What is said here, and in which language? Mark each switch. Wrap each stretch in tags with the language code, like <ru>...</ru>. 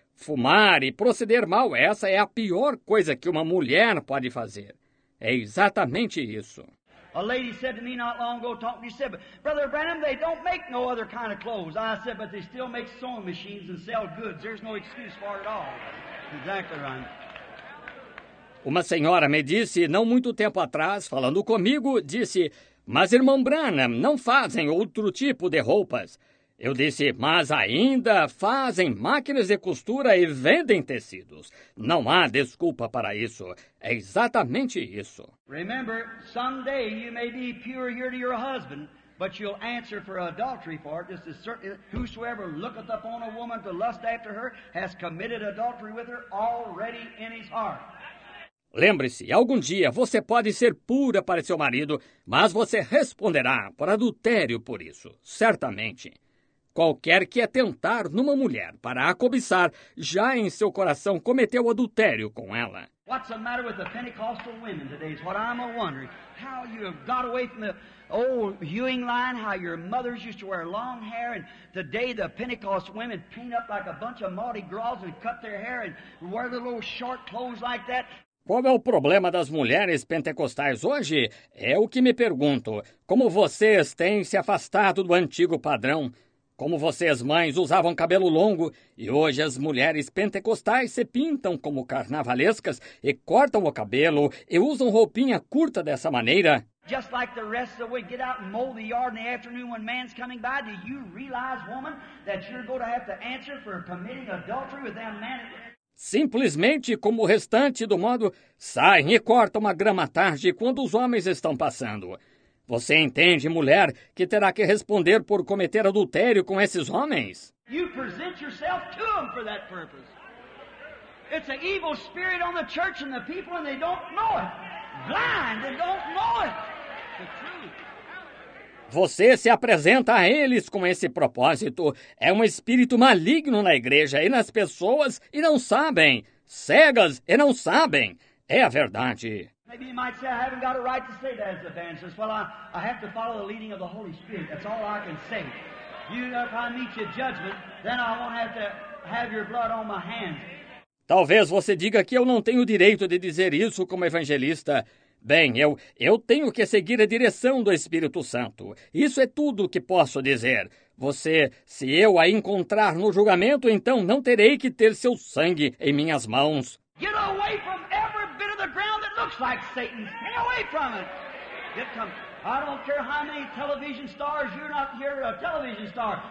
<pt>Fumar e proceder mal, essa é a pior coisa que uma mulher pode fazer. É exatamente isso.</pt> <en>A lady said to me not long ago, talking to me, she said, but Brother Branham, they don't make no other kind of clothes. I said, but they still make sewing machines and sell goods. There's no excuse for it at all. Exactly right.</en> <pt>Uma senhora me disse, não muito tempo atrás, falando comigo, disse, mas irmão Branham, não fazem outro tipo de roupas. Eu disse, mas ainda fazem máquinas de costura e vendem tecidos. Não há desculpa para isso. É exatamente isso.</pt> <en>Remember, someday you may be pure here to your husband, but you'll answer for adultery for it. This is certain, whosoever looketh upon a woman to lust after her has committed adultery with her already in his heart.</en> <pt>Lembre-se, algum dia você pode ser pura para seu marido, mas você responderá por adultério por isso, certamente. Qualquer que atentar numa mulher para a cobiçar, já em seu coração cometeu adultério com ela.</pt> <en>What's the matter with the Pentecostal women today is what I'm wondering. How you have got away from the old hewing line, how your mothers used to wear long hair, and today the Pentecost women paint up like a bunch of Mardi Gras and cut their hair and wear the little short clothes like that.</en> <pt>Qual é o problema das mulheres pentecostais hoje? É o que me pergunto. Como vocês têm se afastado do antigo padrão? Como vocês, mães, usavam cabelo longo e hoje as mulheres pentecostais se pintam como carnavalescas e cortam o cabelo e usam roupinha curta dessa maneira?</pt> <en>Just like the rest of the week, get out and mow the yard in the afternoon when man's coming by. Do you realize, woman, that you're going to have to answer for committing adultery with that man?</en> <pt>Simplesmente como o restante do modo, saem e cortam a grama à tarde quando os homens estão passando. Você entende, mulher, que terá que responder por cometer adultério com esses homens?</pt> <en>You present yourself to them for that purpose. It's an evil spirit on the church and the people and they don't know it. Blind and don't know it. The truth.</en> <pt>Você se apresenta a eles com esse propósito. É um espírito maligno na igreja e nas pessoas e não sabem. Cegas e não sabem. É a verdade.</pt> <en>Maybe you might say, I haven't got a right to say that as a evangelist. Well, I have to follow the leading of the Holy Spirit. That's all I can say. You, if I meet your judgment, then I won't have to have your blood on my hands.</en> <pt>Talvez você diga que eu não tenho o direito de dizer isso como evangelista. Bem, eu tenho que seguir a direção do Espírito Santo. Isso é tudo o que posso dizer. Você, se eu a encontrar no julgamento, então não terei que ter seu sangue em minhas mãos.</pt> <en>Get away from every bit of the ground that looks like Satan. Get away from it. Get come. I don't care how many television stars you're not. You're a television star.</en>